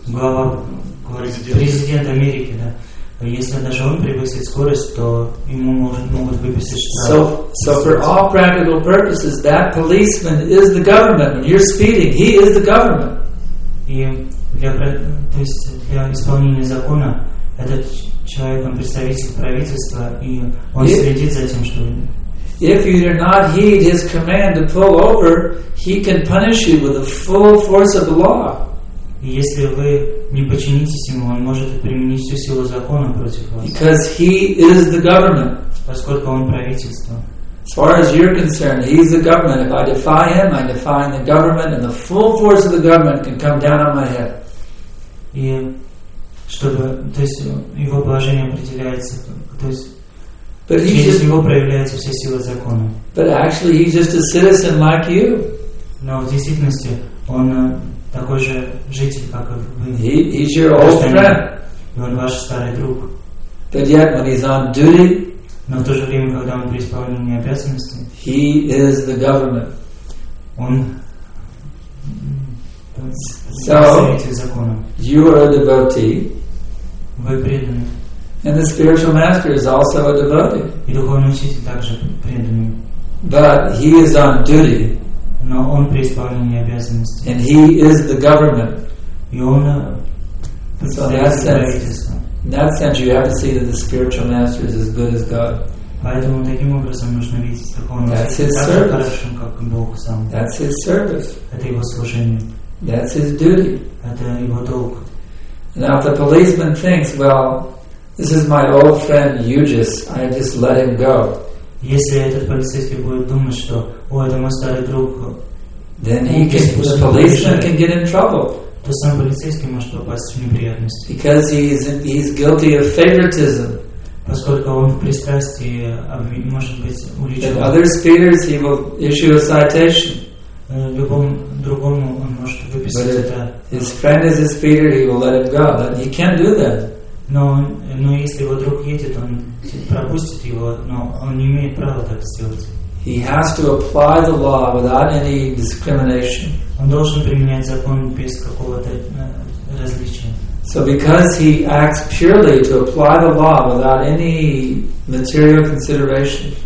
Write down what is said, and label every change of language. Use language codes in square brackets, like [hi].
[ru] Глава президент Америки, да. Если даже он превысит скорость, то ему могут выписать штраф. [en] So for all practical purposes, that policeman is the government. When you're speeding, he is the government. [ru] И для исполнения закона этот человек, он представитель правительства, и он следит за тем, что. [en] If you do not heed his command to pull over, he can punish you with the full force of the law. [ru] Если вы не подчинитесь ему, он может применить всю силу закона против вас. [en] Because he is the government. [ru] Поскольку он правительство. [en] As far as you're concerned, he's the government. If I defy him, I defy the government, and the full force of the government can come down on my head. [ru] И чтобы, то есть его положение определяется, то есть через него проявляется вся сила закона. [en] But actually, he's just a citizen like you. [ru] Но в действительности он такой же житель, как вы. [en] He's your old friend. [ru] И он ваш старый друг. [en] But yet, when he's on duty, [ru] но в то же время, когда он при исполнении обязанностей, [en] he is the government. [ru] Он представитель закона. [en] You are a devotee. [ru] Вы преданный. [en] And the spiritual master is also a devotee. [ru] И духовный учитель также преданный. [en] But he is on duty. [ru] Но он при исполнении обязанностей. [en] And he is the government. [ru] И он представитель. [en] In that sense, you have to see that the spiritual master is as good as God. [ru] Поэтому таким образом нужно видеть, как он хорошим, как Бог сам. [en] That's his service. [ru] Это его служение. [en] That's his duty. [ru] Это его долг. [en] Now, if the policeman thinks, well, this is my old friend Eugis, I just let him go. [ru] Если этот полицейский будет думать, что, о, это мой старый друг, [en] then the policeman can get in trouble. [ru] То сам полицейский может попасть в неприятность. [en] Because he's guilty of favoritism. [ru] Поскольку он в пристрастии может быть уличен. [en] And other speeders, he will issue a citation. [ru] Любому другому он может выписать это. [en] His friend is a speeder, he will let it go. But he can't do that. [ru] Но если его друг едет, он пропустит его, но он не имеет права так сделать. [en] He has to apply the law without any discrimination. [ru] Он должен применять закон без какого-то различия. [en] So because he acts purely to apply the law without any material consideration.